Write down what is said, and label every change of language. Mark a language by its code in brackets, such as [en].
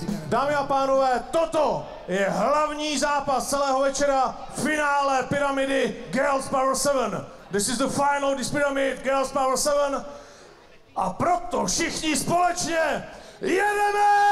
[cs] Dámy a pánové, toto je hlavní zápas celého večera, finále pyramidy Girls Power 7. [en] This is the final of this pyramid, Girls Power 7. [cs] A proto všichni společně jedeme!